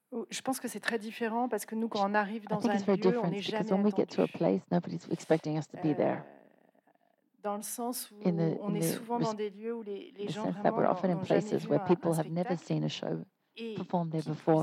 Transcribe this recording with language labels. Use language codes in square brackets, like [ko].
[fr] Je pense que c'est très différent parce que nous, quand on arrive dans un lieu, on n'est jamais attendu. [en] Because when we get to a place, nobody's expecting us to be there. [fr] Dans le sens où on est souvent dans des lieux où les gens vraiment [en] that we're often in places where people have never seen a show performed there before,